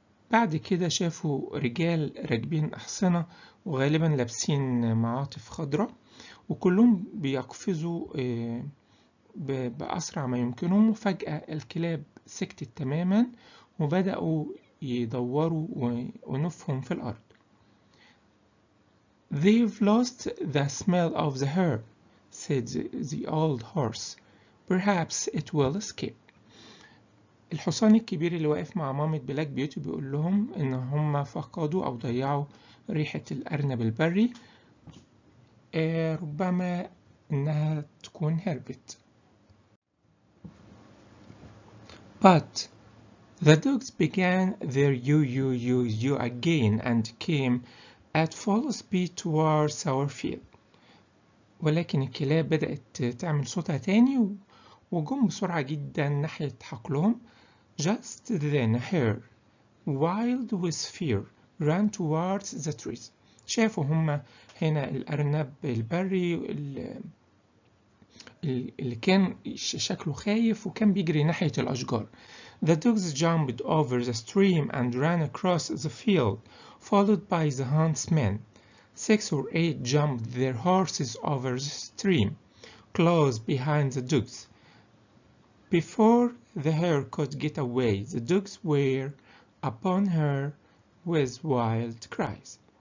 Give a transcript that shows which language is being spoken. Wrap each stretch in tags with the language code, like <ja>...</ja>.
<ar>بعد كده شافوا رجال راكبين أحصنة وغالبا لابسين معاطف خضراء، وكلهم بيقفزوا بأسرع ما يمكنهم. وفجأة الكلاب سكتت تماما وبدأوا يدوروا ونفهم في الأرض.</ar> <en>They've lost the smell of the herb, said the old horse. Perhaps it will escape.</en> <ar>الحصان الكبير اللي واقف مع مامة بلاك بيوتي بيقول لهم إن هم فقدوا أو ضيعوا ريحة الأرنب البري، ربما إنها تكون هربت.</ar> <en>But the dogs began their yo-yo-yo-yo again and came at full speed towards our field.</en> <ar>ولكن الكلاب بدأت تعمل صوتها تاني وجم بسرعة جدا ناحية حقلهم.</ar> <en>Just then a hare, wild with fear, ran towards the trees.</en> <ar>شافوا هما هنا الأرنب البري اللي كان شكله خايف وكان بيجري ناحية الأشجار.</ar> <en>The dogs jumped over the stream and ran across the field, followed by the huntsmen. Six or eight jumped their horses over the stream, close behind the dogs. Before the hare could get away, the dogs were upon her with wild cries.</en>